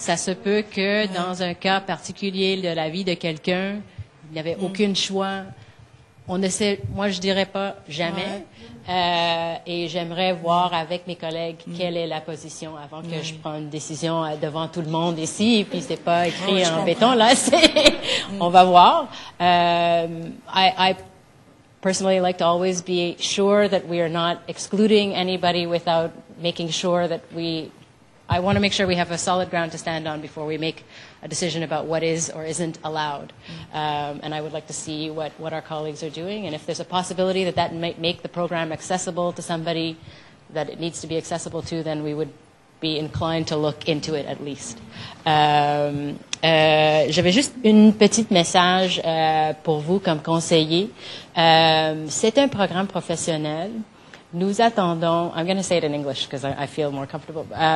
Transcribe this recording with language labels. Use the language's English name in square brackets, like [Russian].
[French] Ça se peut que dans un cas particulier de la vie de quelqu'un, il n'y avait aucun choix. On ne sait, moi, je dirais pas jamais. Ouais. Et j'aimerais voir avec mes collègues quelle est la position avant que je prenne une décision devant tout le monde ici. Et puis, c'est pas écrit en béton, là. On va voir. [English] I personally like to always be sure that we are not excluding anybody without making sure that I want to make sure we have a solid ground to stand on before we make a decision about what is or isn't allowed. And I would like to see what our colleagues are doing. And if there's a possibility that might make the program accessible to somebody that it needs to be accessible to, then we would be inclined to look into it at least. [French] J'avais juste une petite message pour vous comme conseiller. C'est un programme professionnel. Nous attendons... [English] I'm going to say it in English because I feel more comfortable.